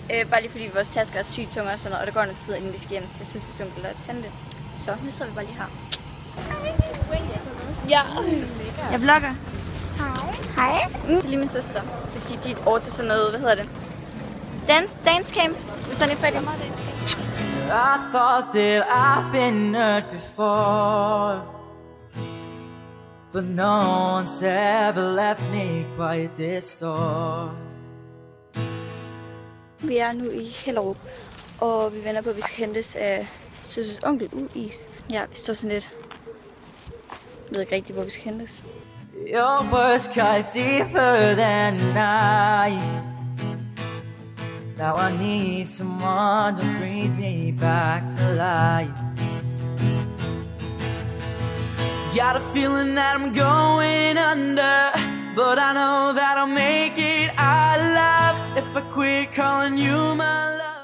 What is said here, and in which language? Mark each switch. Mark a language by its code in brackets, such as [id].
[da] Bare lige fordi vores tasker er sygt tunge og sådan noget, og der går noget tid, inden vi skal hjem til søsters onkel og tante. Så nu sidder vi bare lige her. Ja. Jeg vlogger. Hej. Hej. Det er lige min søster. Det er fordi, de er over til sådan noget, hvad hedder det? Dance camp. Hvis sådan er fattig. [en] I thought that I've been hurt before, but no one's ever left me quite this sore. [da] Vi er nu i Hellerup, og vi venter på, at vi skal hentes af søsters onkel Uis. Ja, vi står sådan lidt. Jeg ved ikke rigtigt, hvor vi skal hentes. [en] Your words cut deeper than I. Now I need someone to bring me back to life. Got a feeling that I'm going under, but I know that I'll make it out alive if I quit calling you my love.